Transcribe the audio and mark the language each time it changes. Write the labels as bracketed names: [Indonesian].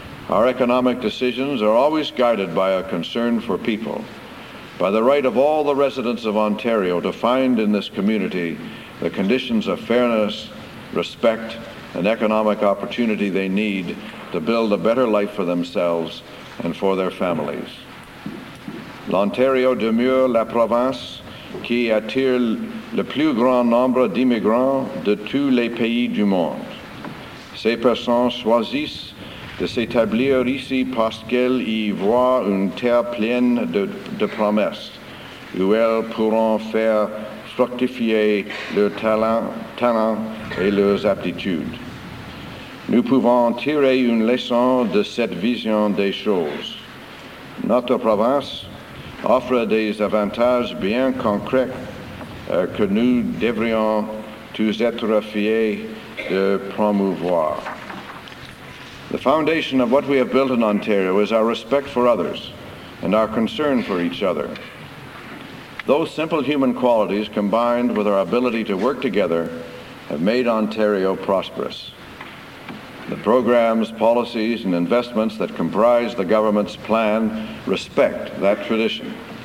[English] Our economic decisions are always guided by a concern for people, by the right of all the residents of Ontario to find in this community the conditions of fairness, respect, and economic opportunity they need to build a better life for themselves and for their families. [French] L'Ontario demeure la province qui attire le plus grand nombre d'immigrants de tous les pays du monde. Ces personnes choisissent de s'établir ici parce qu'elles y voient une terre pleine de promesses, où elles pourront faire fructifier leurs talents et leurs aptitudes. Nous pouvons tirer une leçon de cette vision des choses. Notre province offre des avantages bien concrets que nous devrions tous être fiers de promouvoir. [English] The foundation of what we have built in Ontario is our respect for others and our concern for each other. Those simple human qualities combined with our ability to work together have made Ontario prosperous. The programs, policies, and investments that comprise the government's plan respect that tradition.